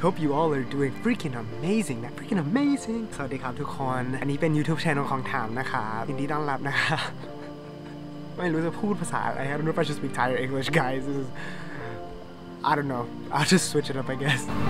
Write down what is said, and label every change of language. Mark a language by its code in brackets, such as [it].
[en] Hope you all are doing freaking amazing. That freaking amazing. [th] สวัสดีครับทุกคนอันนี้เป็น YouTube channel ของถามนะครับยินดีต้อนรับนะครับไม่รู้จะพูดภาษาอะไร [en] I don't know if I should speak Thai or English, guys. This is... I don't know. I'll just switch it up, I guess.